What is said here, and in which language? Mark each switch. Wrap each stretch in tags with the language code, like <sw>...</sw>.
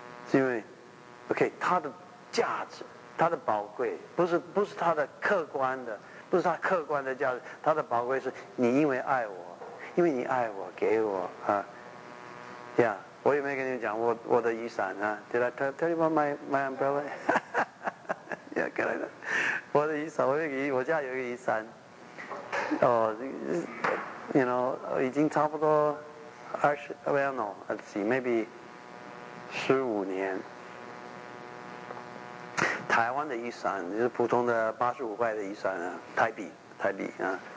<zh>是因为 OK 它的价值，它的宝贵不是它的客观的，不是它客观的价值，它的宝贵是你因为爱我，因为你爱我给我啊。 Yeah， 我有没有跟你们讲我的雨伞啊？</zh> <en>Did I tell you about my umbrella？</en> <zh>Yeah， 可能我的雨伞，我家有一个雨伞哦，你 know 已经差不多20</zh> <en>well no let's see maybe15</en> <zh>年，台湾的雨伞就是普通的85块的雨伞啊，台币啊。</zh>